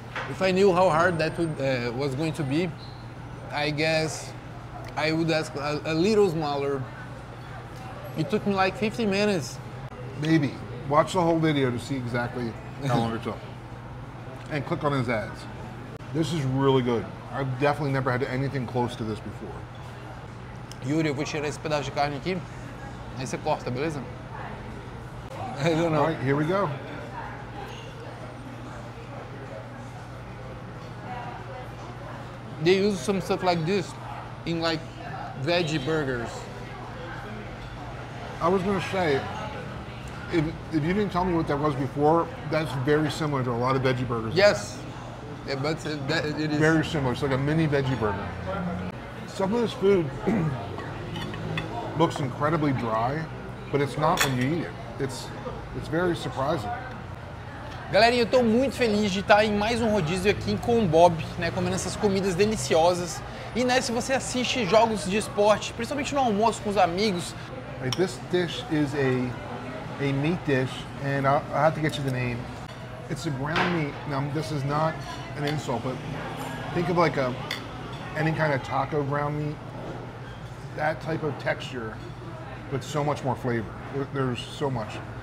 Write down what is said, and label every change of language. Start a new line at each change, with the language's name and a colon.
English: If I knew how hard that would, was going to be, I guess I would ask a little smaller. It took me like 50 minutes. Maybe. Watch the whole video to see exactly how long it took. And click on his ads. This is really good. I've definitely never had anything close to this before.
Portuguese: Yuri, eu vou tirar esse pedaço de carne aqui. Aí você corta, beleza?
English: I don't know. All right, here we go. They use some stuff like this in like veggie burgers. I was going to say, if you didn't tell me what that was before, that's very similar to a lot of veggie burgers. Yes. Yeah, but it is. Very similar. It's like a mini veggie burger. Some of this food looks incredibly dry, but it's not when you eat it. It's very surprising.
Portuguese: Galerinha, eu estou muito feliz de estar em mais um rodízio aqui com o Bob, né, comendo essas comidas deliciosas. E né, se você assiste jogos de esporte, principalmente no almoço com os amigos.
English: Right, this dish is a meat dish, and I have to get you the name. It's a ground meat. Now, this is not an insult, but think of like any kind of taco ground meat. That type of texture, but so much more flavor. There's so much.